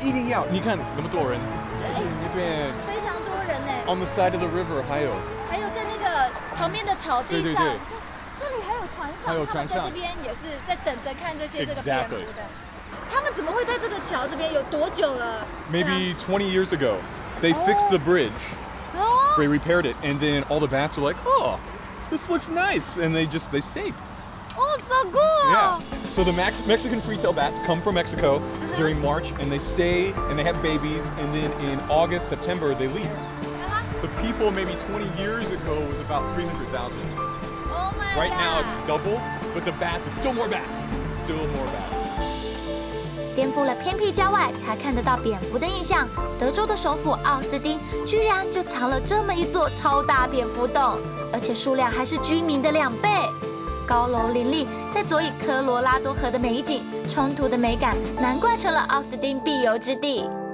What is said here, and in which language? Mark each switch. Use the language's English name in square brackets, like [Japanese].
[English] Absolutely. [Chinese] 一定要。你看那么多人，对，那边非常多人呢。 [English] On the side of the river， [Chinese] 还有在那个旁边的草地上，对，这里还有船上，还有船上，他们在这边也是在等着看这些这个蝙蝠的。 [English] Exactly. [Chinese] 他们怎么会在这个桥这边？有多久了 [English] ？Maybe 20 years ago， they fixed the bridge， they repaired it， and then all the bats were like， oh， this looks nice， and they stayed。 Oh, so cool! Yeah. So the Mexican free-tailed bats come from Mexico during March, and they stay, and they have babies, and then in August, September, they leave. The people maybe 20 years ago was about 300,000. Oh my god! Right now it's double, but the bats are still more bats. Still more bats. [Chinese] 颠覆了偏僻郊外才看得到蝙蝠的印象，德州的首府奥斯汀居然就藏了这么一座超大蝙蝠洞，而且数量还是居民的两倍。高楼林立，再佐以科罗拉多河的美景，冲突的美感，难怪成了奥斯汀必游之地。